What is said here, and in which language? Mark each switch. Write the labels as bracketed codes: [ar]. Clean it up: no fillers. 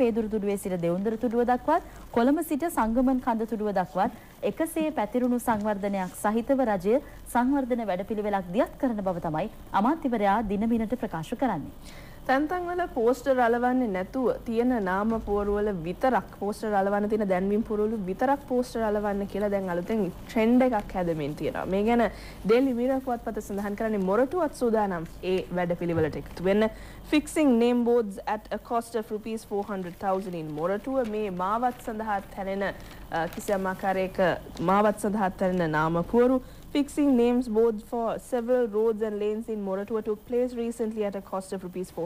[si] පේදුරු තුඩුවේ සිට දෙවුන්දර තුඩුව දක්වත්, කොළඹ සිට සංගමන් කඳ තුඩුව දක්වත් 100 පැතිරුණු සංවර්ධනයක් සහිතව රජය සංවර්ධන වැඩපිළිවෙලක් දියත් කරන බව තමයි අමාත්‍යවරයා දිනමිනට ප්‍රකාශ කරන්නේ. තැන්තැන්වල පෝස්ටර් අලවන්නේ නැතුව තියෙන නාම පුවරුවල විතරක් පෝස්ටර් අලවන්න තියෙන දැන්වීම් පුරවලු විතරක් පෝස්ටර් අලවන්න කියලා දැන් අලුතෙන් ට්‍රෙන්ඩ් එකක් හැදෙමින් තියෙනවා. මේ ගැන දෙල්ලි මීරා පුවත්පත සඳහන් කරන්නේ මොරටුවත් සූදානම් ඒ වැඩපිළිවෙලට එකතු වෙන්න. [en] Fixing name boards at a cost of Rs. 400,000 in Moratuwa. [si] මේ මාවත් සඳහා තැනෙන කිසියම් ආකාරයක මාවත් සඳහා තැනෙන නාම පුවරු. [en] Fixing names boards for several roads and lanes in Moratuwa took place recently at a cost of Rs.